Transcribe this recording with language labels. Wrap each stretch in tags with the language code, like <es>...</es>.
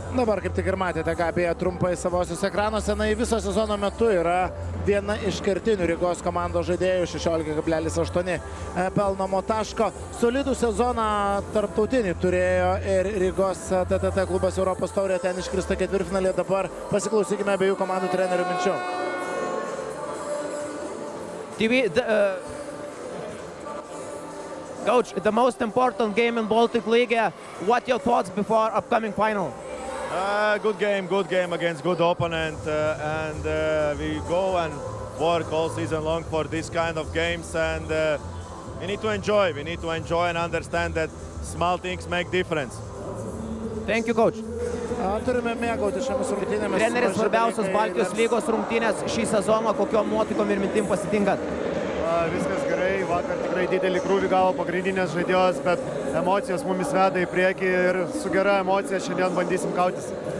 <lt>Dabar kaip tik ir matėte, ką apie trumpai savosios ekranuose, na, viso sezono metu yra viena iš kertinių Rygos komandos žaidėjų, 16,8 pelnomo taško. Solidų sezoną tarptautinį turėjo ir Rygos TTT klubas Europos taurėje, ten iškrista ketvirtfinalyje. Dabar pasiklausykime abiejų komandų trenerių minčių.</lt> <en>Coach, the most important game in Baltic League. What your thoughts before upcoming final? Good game against good opponent, we go and work all season long for this kind of games, and we need to enjoy. We need to enjoy and understand that small things make difference. Thank you, coach.</en> <lt>Turime mėgauti šiomis rungtynėmis. Treneris, svarbiausios Baltijos lygos rungtynės šį sezoną, kokiom nuotaikom ir mintim pasitinkat? Viskas gerai, vakar tikrai didelį krūvį gavo pagrindinės žaidėjos, bet emocijos mumis veda į priekį ir su gera emocija šiandien bandysim kautis.</lt>